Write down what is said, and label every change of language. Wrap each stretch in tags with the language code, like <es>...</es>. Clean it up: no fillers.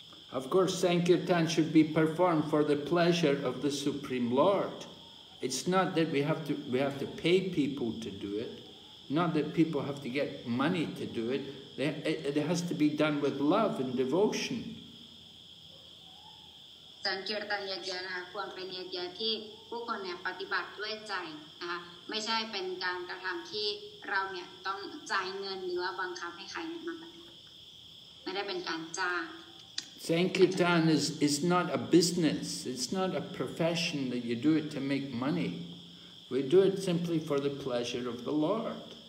<en>Of course, Sankirtan should be performed for the pleasure of the Supreme Lord. It's not that we have to pay people to do it, not that people have to get money to do it. It has to be done with love and devotion.</en> <th>sankirtan yagya นะคะ ควรเป็น yagya ที่ผู้คนเนี่ยปฏิบัติด้วยใจนะคะ ไม่ใช่เป็นการกระทำที่เราเนี่ยต้องจ่ายเงินหรือว่าบังคับให้ใครมาปฏิบัติไม่ได้เป็นการจ้าง</th> <en>Sankirtan is not a business. It's not a profession that you do it to make money. We do it simply for the pleasure of the Lord.</en>